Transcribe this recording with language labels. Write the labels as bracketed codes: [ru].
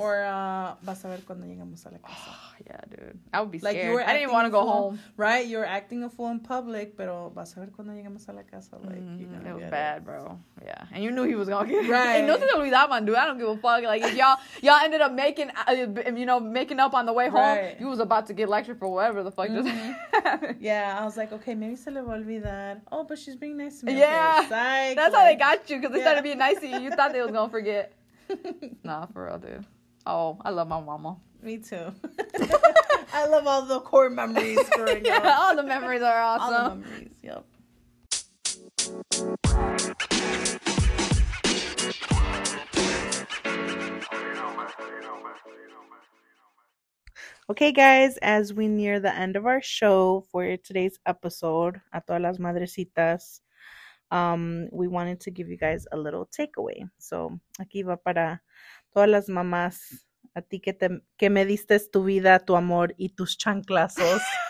[es] Or, vas a ver cuando llegamos a la casa. [en] Oh, yeah, dude. I would be like, scared. I didn't want to go home. Right? You're acting a fool in public, [es] pero vas a ver cuando llegamos a la casa. [en] Like, it was bad, bro. Yeah. And you knew he was going to get it. Right. And [es] no se te olvidaba, [en] dude. I don't give a fuck. Like, if y'all ended up making up on the way home, right, you was about to get lectured for whatever the fuck. Mm-hmm. Yeah, I was like, okay, maybe [es] se le va a olvidar. [en] Oh, but she's being nice to me. Yeah. Okay, psych. That's how they got you, because they started being nice to you. You thought they was going to forget. Nah, for real, dude. Oh, I love my mama. Me too. I love all the core memories growing up. All the memories are awesome. All the memories, yep. Okay, guys, as we near the end of our show for today's episode, A Todas Las Madrecitas, we wanted to give you guys a little takeaway. [es] So, aquí va para todas las mamás, a ti que me diste tu vida, tu amor, y tus chanclazos.